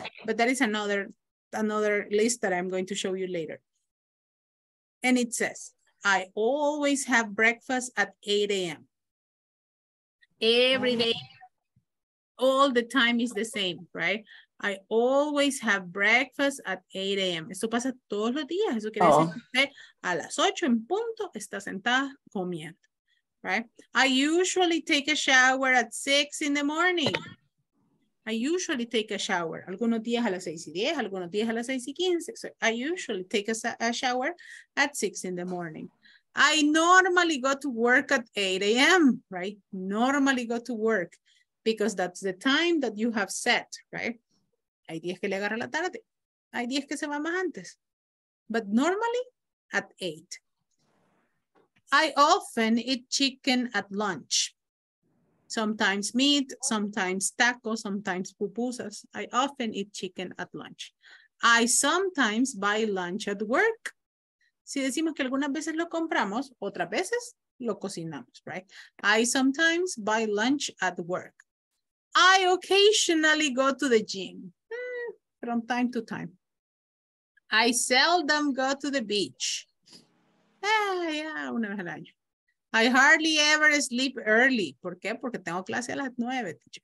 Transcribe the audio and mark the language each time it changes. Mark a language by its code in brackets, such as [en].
[en] But that is another list that I'm going to show you later. And it says, I always have breakfast at 8 a.m. Every day, all the time is the same, right? I always have breakfast at 8 a.m. [es] Esto pasa todos los días. Eso quiere decir que usted a las 8 en punto está sentada comiendo, right? [en] I usually take a shower at 6 in the morning. I usually take a shower. [es] Algunos días a las 6:10, algunos días a las 6:15. [en] So I usually take a shower at 6 in the morning. I normally go to work at 8 a.m., right? Normally go to work because that's the time that you have set, right? [es] Hay días que le agarra la tarde. Hay días que se va más antes. [en] But normally at 8. I often eat chicken at lunch. Sometimes meat, sometimes tacos, sometimes pupusas. I often eat chicken at lunch. I sometimes buy lunch at work. [es] Si decimos que algunas veces lo compramos, otras veces lo cocinamos, right? [en] I sometimes buy lunch at work. I occasionally go to the gym from time to time. I seldom go to the beach. [es] Una vez al año. [en] I hardly ever sleep early. [es] ¿Por qué? Porque tengo clase a las 9.